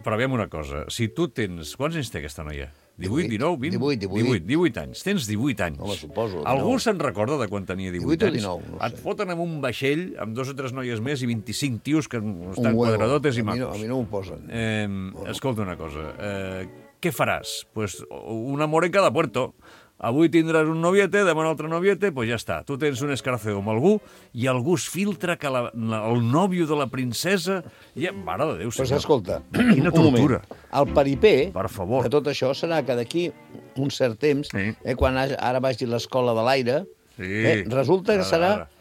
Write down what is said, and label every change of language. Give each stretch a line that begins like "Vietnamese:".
Catalan: Però veiem una cosa. Si tu tens... Quants anys té aquesta noia? 18, 19, 20? 18, 18. 18, 18 anys. Tens 18 anys. No, suposo. Algú se'n recorda de quan tenia 18 anys? 18 o 19, anys? No sé. Et foten en un vaixell amb dos o tres noies més i 25 tios que estan quadradotes i macos. A mi no m'ho posen. Escolta una cosa. Què faràs?
Spanish: Pues un amor en cada puerto.
Catalan: Avui tindràs un noviete, demà un altre noviete, pues ja està. Tu tens un escarceo amb algú i algú es filtra que el nòvio de la princesa... Ja, mare de Déu, senyor. Pues escolta, quina tortura. El peripé, per favor, de tot això serà que d'aquí un cert temps, quan ara vagi a l'escola de l'aire, resulta que serà...